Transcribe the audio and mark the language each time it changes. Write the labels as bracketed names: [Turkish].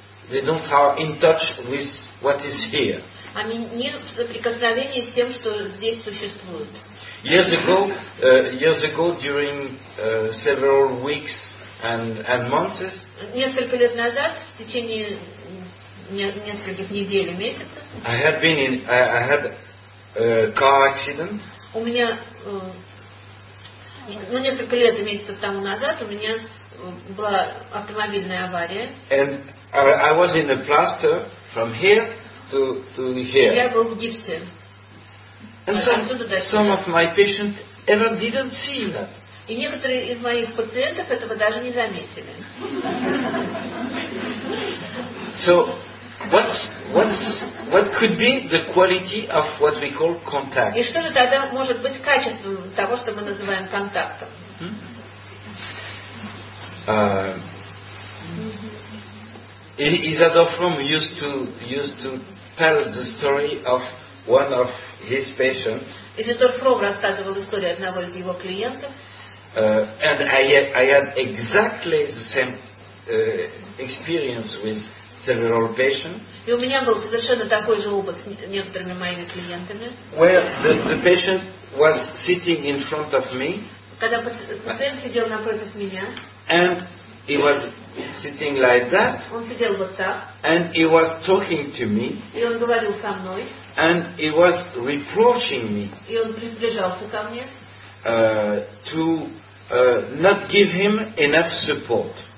[English] They don't are in touch with what is here. [Russian] Они не в соприкосновении с тем, что здесь существует. [English] Years ago, during several weeks and months. [Russian] Несколько лет назад, в течение нескольких недель и месяцев. [English] I had a car accident. [Russian] У меня несколько лет и месяцев тому назад у меня была автомобильная авария. [English] And I was in a plaster from here to here. [Russian] Я был в гипсе. [English] And some of my patients ever didn't see that. [Russian] И некоторые из моих пациентов этого даже не заметили. [English] So what could be the quality of what we call contact? [Russian] И что же тогда может быть качеством того, что мы называем контактом? [English] Isadore Fromm used to tell the story of one of his patients. [Russian] Isadore Fromm рассказывал историю одного из его клиентов. [English] And I had exactly the same experience with several patients. [Russian] И у меня был совершенно такой же опыт с некоторыми моими клиентами. [English] Where the patient was sitting in front of me. [Russian] Когда пациент сидел напротив меня. [English] And he was sitting like that. [Russian] Он сидел вот так. [English] And he was talking to me. [Russian] И он говорил со мной. [English] And he was reproaching me. [Russian] И он приближался ко мне. [English] To not give him enough support.